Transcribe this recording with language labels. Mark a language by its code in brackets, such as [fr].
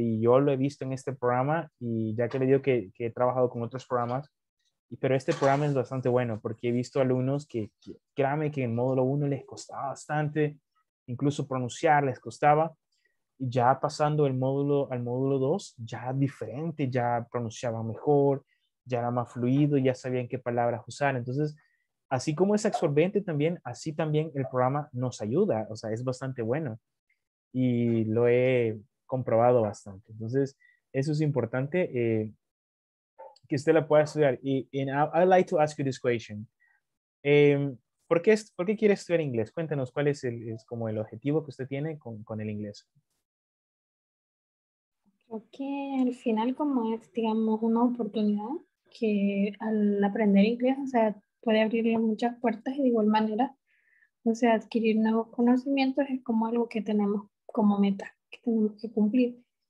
[es] Y yo lo he visto en este programa, y ya que le digo que he trabajado con otros programas, pero este programa es bastante bueno porque he visto alumnos que créanme que en módulo 1 les costaba bastante, incluso pronunciar les costaba, y ya pasando al módulo 2, ya diferente, ya pronunciaba mejor, ya era más fluido, ya sabían qué palabras usar. Entonces, así como es absorbente también, así también el programa nos ayuda, o sea, es bastante bueno y lo he comprobado bastante. Entonces, eso es importante. Que usted la pueda estudiar. [en] And I'd like to ask you this question. [es] ¿Por qué quiere estudiar inglés? Cuéntanos, ¿cuál es el objetivo que usted tiene con el inglés? Creo que al final como es, digamos, una oportunidad que al aprender inglés, o sea, puede abrirle muchas puertas y de igual manera, o sea, adquirir nuevos conocimientos es como algo que tenemos como meta, que tenemos que cumplir.